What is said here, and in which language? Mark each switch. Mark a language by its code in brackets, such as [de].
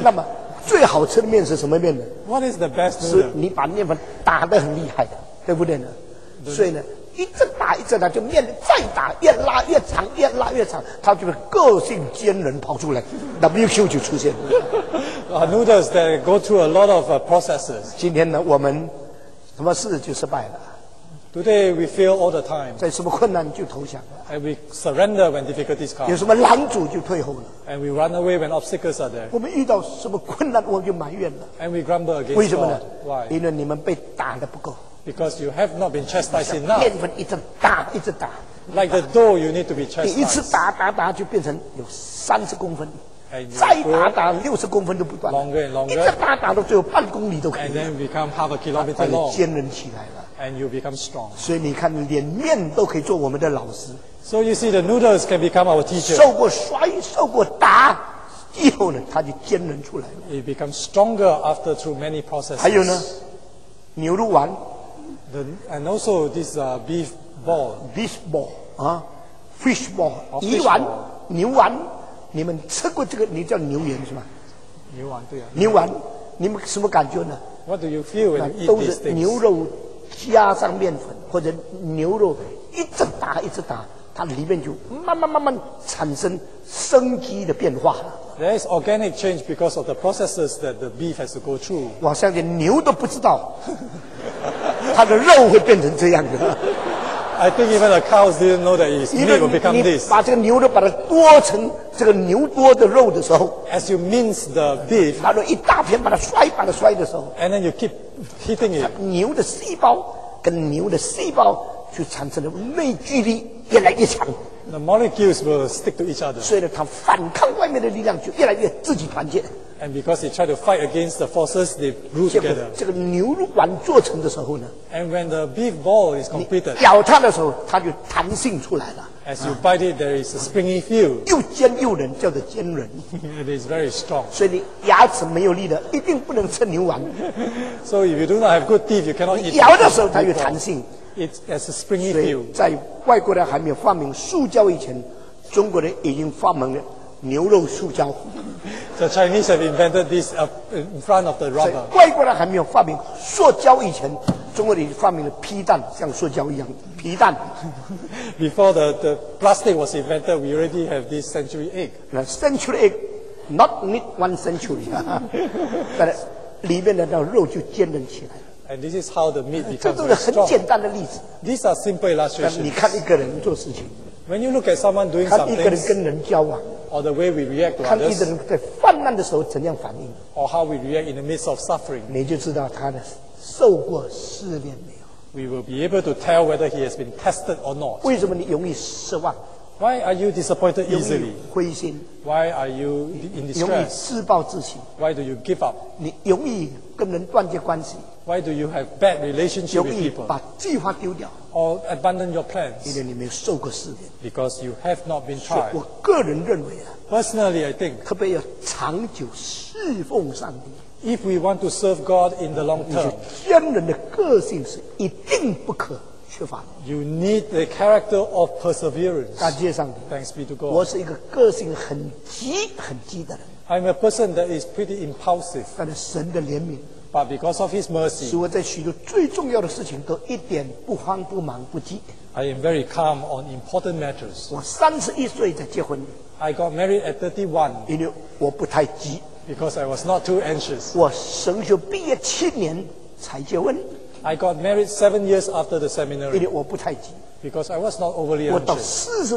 [zh] 那么最好吃的面是什么面呢 [en] ？What is the best noodle? [zh] 是你把面粉打得很厉害的，对不对呢？所以呢？一直打一直打，就面再打越拉越长，越拉越长，他就是个性坚韧跑出来 ，WQ 就出现了。 [en] Noodles that go through a lot of processes. [zh] 今天呢，我们什么事就失败了。 [en] Today we fail all the time. [zh] 在什么困难就投降了。 [en] And we surrender when difficulties come. [zh] 有什么拦阻就退后了。 [en] And we run away when obstacles are there. [zh] 我们遇到什么困难我们就埋怨了。 [en] And we grumble against. [zh] 为什么呢 [en] ？Why? [zh] 因为你们被打得不够。 [en] Because you have not been chastised enough. [zh] 面粉一直打，一直打。 [en] Like the dough, you need to be chastised. [zh] 你一次打打打就变成有三十公分，再打打六十公分都不断。 [en] Longer and longer. [zh] 一直打打到最后半公里都可以。 [en] And then become half a kilometer long. [zh] 就坚韧起来了。 [en] And you become strong. [zh] 所以你看，连面都可以做我们的老师。 [en] So you see, the noodles can become our teacher. [zh] 受过摔，受过打。以后呢，它就坚韧出来了。 [en] It becomes stronger after through many processes. [zh] 还有呢，牛肉丸。 [en] And also this beef ball. Beef ball, fish ball. [zh] 鱼丸，牛丸，你们吃过这个？你叫牛丸是吗？牛丸对啊。牛丸，你们什么感觉呢 [en] ？What do you feel when you eat these things? [zh] 都是牛肉加上面粉，或者牛肉一直打一直打，它里面就慢慢慢慢产生生机的变化。 [en] There is organic change because of the processes that the beef has to go through. [zh] 我相信牛都不知道。它的肉会变成这样的。 [en] I think even the cows didn't know that its meat will become this. [zh] 把这个牛肉把它剁成这个牛多的肉的时候 [en] ，as you mince the beef， [zh] 然后一大片把它摔的时候 [en] ，and then you keep hitting it， [zh] 牛的细胞跟牛的细胞就产生了内聚力，越来越强。 [en] The molecules will stick to each other. [zh] 所以呢，它反抗外面的力量就越来越自己团结。 [en] And because they try to fight against the forces, they grew together. [zh] 这个牛肉丸做成的时候呢 [en] ？And when the beef ball is completed, [zh] 你咬它的时候，它就弹性出来了。 [en] As you bite it, there is a springy feel. [zh] 又坚又韧，叫做坚韧。 [en] It is very strong. [zh] 所以你牙齿没有力的，一定不能吃牛丸。 [en] So if you do not have good teeth, you cannot eat. [zh] 咬的时候它有弹性。 [en] It has a springy feel. [zh] 所以在外国人还没有发明塑胶以前，中国人已经发明了。牛肉塑胶。 [en] The Chinese have invented this in front of the rubber. [zh] 外国人还没有发明塑胶以前，中国人发明了皮蛋，像塑胶一样皮蛋。 [en] Before the plastic was invented, we already have this century egg. The century egg, not need one century. [zh] 但里面的那肉就坚韧起来。 [en] And this is how the meat becomes strong. [zh] 这都是很简单的例子。 [en] These are simple illustrations. [zh] 你看一个人做事情。 [en] When you look at someone doing something. [zh] 看一个人跟人交往。 [en] Or the way we react to others. [zh] 看一个人在患难的时候怎样反应。 [en] Or how we react in the midst of suffering. [zh] 你就知道他的受过试炼没有。 [en] We will be able to tell whether he has been tested or not. [zh] 为什么你容易失望？ [en] Why are you disappointed easily? [zh] 容易灰心, [en] Why are you in distress? [zh] 容易自暴自弃, [en] Why do you give up? [zh] 你容易跟人断绝关系, [en] Why do you have bad relationship [zh] 容易把计划丢掉, [en] with people? Or abandon your plans? [zh] 因为你没有受过试炼, [en] because you have not been tried. [zh] 所以我个人认为啊, [en] Personally, I think, [zh] 特别要长久侍奉上帝, [en] if we want to serve God in the long term, [zh] 你是天人的个性是一定不可, [en] You need the character of perseverance. [zh] 感谢上帝, [en] Thanks be to God. [zh] 我是一个个性很急的人, [en] I'm a person that is pretty impulsive. [zh] 但是神的怜悯, [en] but because of His mercy, [zh] 使我在许多最重要的事情都一点不慌不忙不急, [en] I am very calm on important matters. [zh] 我31岁才结婚, [en] I got married at 31. [zh] 因为我不太急, [en] because I was not too anxious. [zh] 我神学毕业7年才结婚, [en] I got married 7 years after the seminary, because I was not overly anxious.